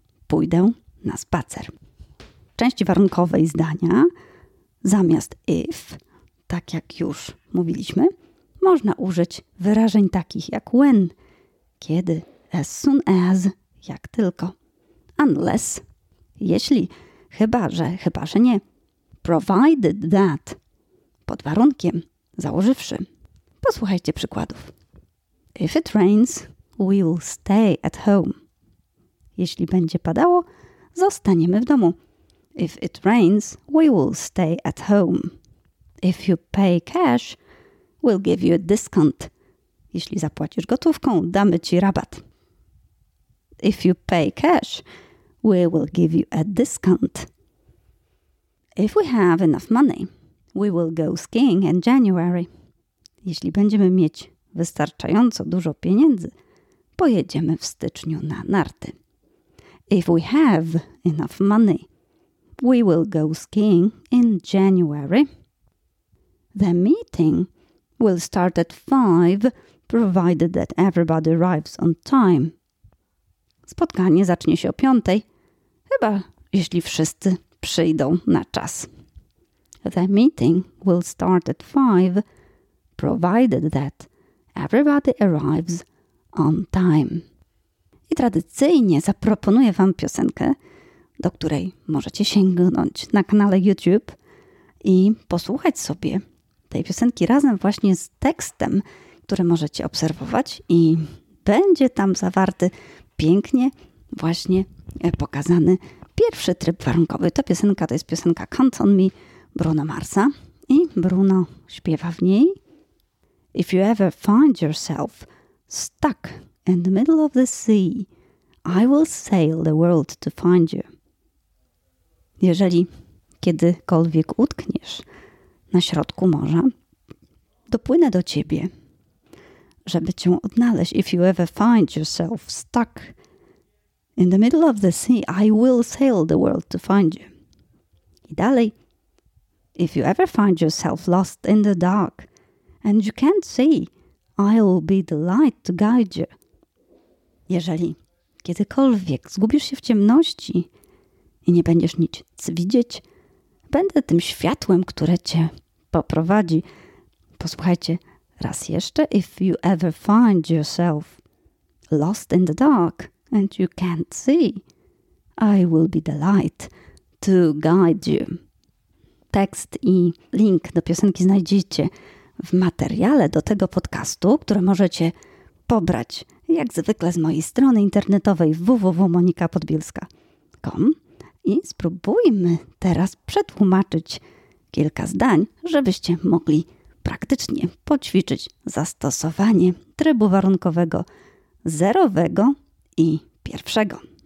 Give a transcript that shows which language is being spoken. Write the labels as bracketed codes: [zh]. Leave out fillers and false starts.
[pl] Pójdę na spacer. W części warunkowej zdania zamiast if, tak jak już mówiliśmy, można użyć wyrażeń takich jak when, kiedy, as soon as, jak tylko, unless, jeśli, chyba, że nie, provided that, pod warunkiem, założywszy. Posłuchajcie przykładów. [en] If it rains, we will stay at home. [pl] Jeśli będzie padało, zostaniemy w domu. [en] If it rains, we will stay at home. If you pay cash, we'll give you a discount. [pl] Jeśli zapłacisz gotówką, damy ci rabat. [en] If you pay cash, we will give you a discount. If we have enough money, we will go skiing in January. [pl] Jeśli będziemy mieć wystarczająco dużo pieniędzy, pojedziemy w styczniu na narty. [en] If we have enough money, we will go skiing in January. The meeting will start at 5, provided that everybody arrives on time. [pl] Spotkanie zacznie się o 5, chyba jeśli wszyscy przyjdą na czas. [en] The meeting will start at 5, provided that everybody arrives on time. [pl] I tradycyjnie zaproponuję Wam piosenkę, do której możecie sięgnąć na kanale YouTube i posłuchać sobie tej piosenki razem właśnie z tekstem, który możecie obserwować i będzie tam zawarty pięknie właśnie pokazany pierwszy tryb warunkowy. Ta piosenka to jest piosenka Count on Me Bruno Marsa i Bruno śpiewa w niej. [en] If you ever find yourself stuck in the middle of the sea, I will sail the world to find you. [pl] Jeżeli kiedykolwiek utkniesz na środku morza, dopłynę do ciebie, żeby cię odnaleźć. [en] If you ever find yourself stuck in the middle of the sea, I will sail the world to find you. [pl] I dalej. [en] If you ever find yourself lost in the dark and you can't see, I will be the light to guide you. [pl] Jeżeli kiedykolwiek zgubisz się w ciemności i nie będziesz nic widzieć, będę tym światłem, które cię poprowadzi. Posłuchajcie raz jeszcze. [en] If you ever find yourself lost in the dark and you can't see, I will be the light to guide you. [pl] Tekst i link do piosenki znajdziecie w materiale do tego podcastu, który możecie pobrać jak zwykle z mojej strony internetowej www.monikapodbielska.com i spróbujmy teraz przetłumaczyć kilka zdań, żebyście mogli praktycznie poćwiczyć zastosowanie trybu warunkowego zerowego i pierwszego.